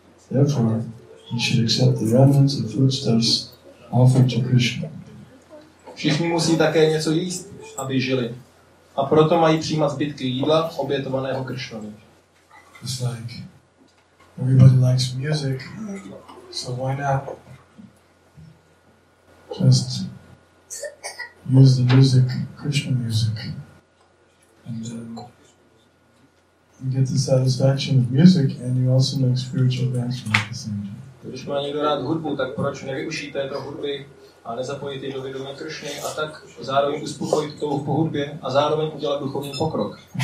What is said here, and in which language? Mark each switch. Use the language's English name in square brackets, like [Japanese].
[English] Therefore, he should accept the remnants of foodstuffs offered to Krishna. [Czech] Všichni musí také něco jíst, aby žili. A proto mají přijímat zbytky jídla obětovaného Krišnovi. [English] It's like everybody likes music, so why not just use the music, Krishna music, and you get the satisfaction of music, and you also make spiritual advancement at the same time. [Czech] Když má někdo rád hudbu, tak proč nevyužít této hudby? A nezapojit do vědomí Krišny a tak zároveň uspokojit touhu po hudbě a zároveň udělat duchovní pokrok.